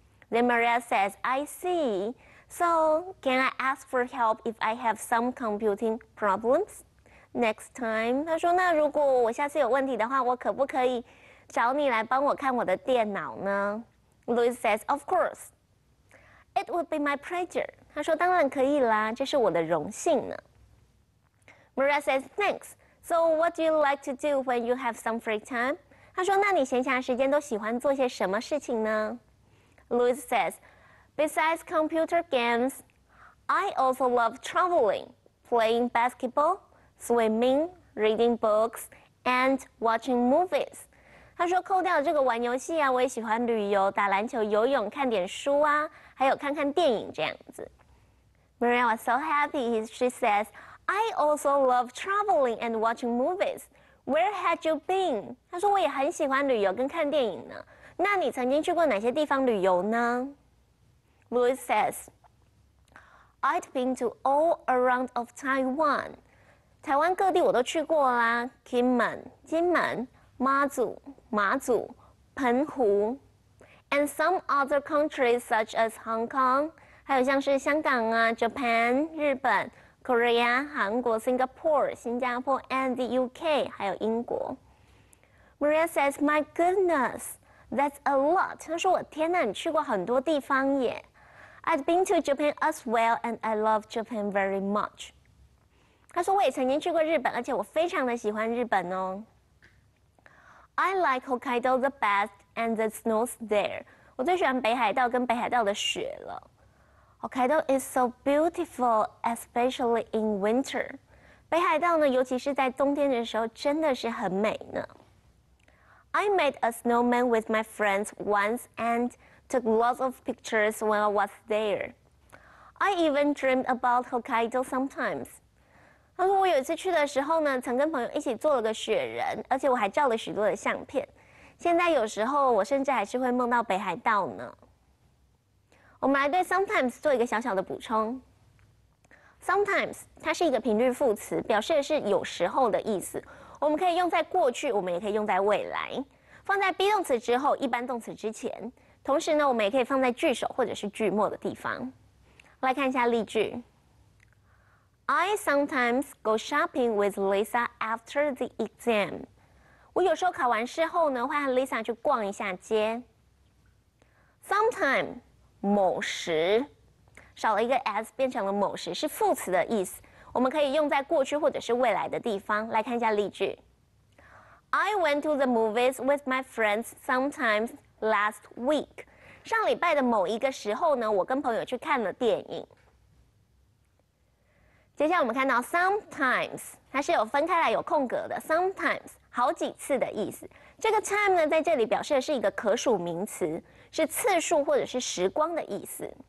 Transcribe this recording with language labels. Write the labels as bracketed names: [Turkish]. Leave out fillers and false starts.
[English] Then Maria says, I see. So can I ask for help if I have some computing problems next time? [Chinese] 他说，那如果我下次有问题的话，我可不可以找你来帮我看我的电脑呢？ [English] Louis says, of course. It would be my pleasure. [Chinese] 他说当然可以啦，这是我的荣幸呢。 [English] Maria says, thanks. So what do you like to do when you have some free time? [Chinese] 他说那你闲暇时间都喜欢做些什么事情呢？ [English] Louis says, besides computer games, I also love traveling, playing basketball, swimming, reading books, and watching movies. [Chinese] 他说扣掉这个玩游戏啊，我也喜欢旅游，打篮球、游泳、看点书啊，还有看看电影这样子。 [English] Maria was so happy. She says, I also love traveling and watching movies. Where had you been? [Chinese] 他说我也很喜欢旅游跟看电影呢。那你曾经去过哪些地方旅游呢？ [English] Louis says, I'd been to all around of Taiwan. [Chinese] 台湾各地我都去过啦，金门。马祖、澎湖 ， [English] and some other countries such as Hong Kong， [Chinese] 还有像是香港啊 ，Japan， 日本 ，Korea， 韩国 ，Singapore， 新加坡 ， [English] and the UK， [Chinese] 还有英国。 [English] Maria says, "My goodness, that's a lot." [Chinese] 她说：“我天哪，你去过很多地方耶。 [English] ”I've been to Japan as well, and I love Japan very much. [Chinese] 她说：“我也曾经去过日本，而且我非常的喜欢日本哦。” [English] I like Hokkaido the best and the snows there. [Chinese] 我最喜欢北海道跟北海道的雪了。 [English] Hokkaido is so beautiful, especially in winter. [Chinese] 北海道呢，尤其是在冬天的时候，真的是很美呢。 [English] I made a snowman with my friends once and took lots of pictures when I was there. I even dreamed about Hokkaido sometimes. [Chinese] 他说我有一次去的时候呢，曾跟朋友一起做了个雪人，而且我还照了许多的相片。现在有时候我甚至还是会梦到北海道呢。我们来对 sometimes 做一个小小的补充。 Sometimes 它是一个频率副词，表示的是有时候的意思。我们可以用在过去，我们也可以用在未来，放在 be 动词之后，一般动词之前。同时呢，我们也可以放在句首或者是句末的地方。来看一下例句。 [English] I sometimes go shopping with Lisa after the exam. [Chinese] 我有时候考完试后呢，会和 Lisa 去逛一下街。 Sometime 某时。少了一个 s 变成了某时，是副词的意思，我们可以用在过去或者是未来的地方。来看一下例句。 [English] I went to the movies with my friends sometimes last week. [Chinese] 上礼拜的某一个时候呢，我跟朋友去看了电影。接下来我们看到 sometimes 它是有分开来有空格的， sometimes 好几次的意思。这个 time 呢，在这里表示的是一个可数名词，是次数或者是时光的意思。